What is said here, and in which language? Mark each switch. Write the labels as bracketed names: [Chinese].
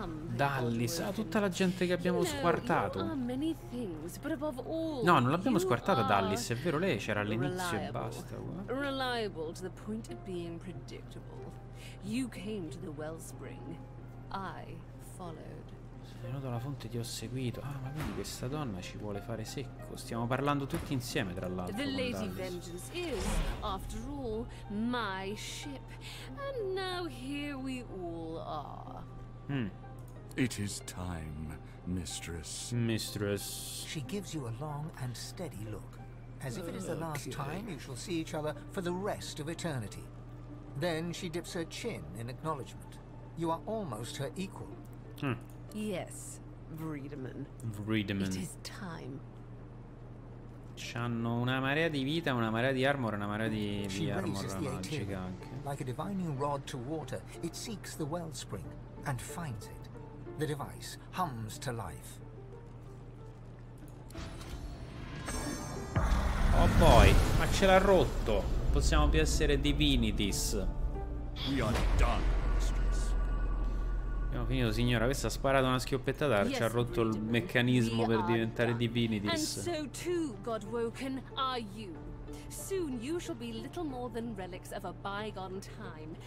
[Italian] Dallis, a tutta la gente che abbiamo squartato. No, non l'abbiamo squartata Dallis, è vero, lei c'era all'inizio e basta. [English] Reliable to the point of being predictable. You came to the wellspring. I followed. [Italian] Sono venuto alla fonte, ti ho seguito. Ah, ma quindi questa donna ci vuole fare secco. Stiamo parlando tutti insieme, tra l'altro. [English] The Lady Vengeance is, after all, my ship. And now here we all are. It is time, mistress. Mistress. She gives you a long and steady look, as if it is the last time you shall see each other for the rest of eternity. Then she dips her chin in acknowledgement. You are almost her equal. Yes, Vredeman. Vredeman. It is time. [Italian] C'hanno una marea di vita, una marea di armor, una marea di armor magica anche. [English] Like a divining rod to water, it seeks the wellspring and finds it. The device hums to life. Oh boy, [Italian] ma ce l'ha rotto. Possiamo più essere divinities. [English] We are done. [Italian] Abbiamo finito, signora. Questa ha sparato una schioppettata. Ci ha rotto il meccanismo per diventare divinities. [English] And so too, Godwoken, are you. Soon you shall be little more than relics of a bygone time.